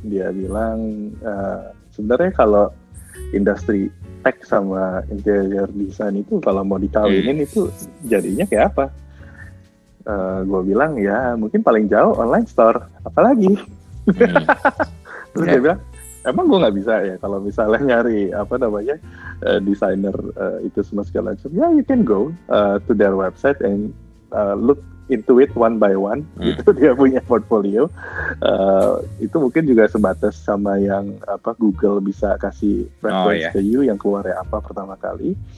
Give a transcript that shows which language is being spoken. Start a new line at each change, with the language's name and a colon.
Indonesian: Dia bilang sebenarnya kalau industri tech sama interior design itu kalau mau dikawinin itu jadinya kayak apa? Gue bilang ya mungkin paling jauh online store, apalagi. Terus dia bilang, emang gue nggak bisa ya kalau misalnya nyari desainer itu semua segala macam.
English: Yeah, you can go to their website and look into it one by one.
Indonesian: Itu dia punya portfolio. Itu mungkin juga sebatas sama yang Google bisa kasih
English: reference to you
Indonesian: yang keluar ya apa pertama kali.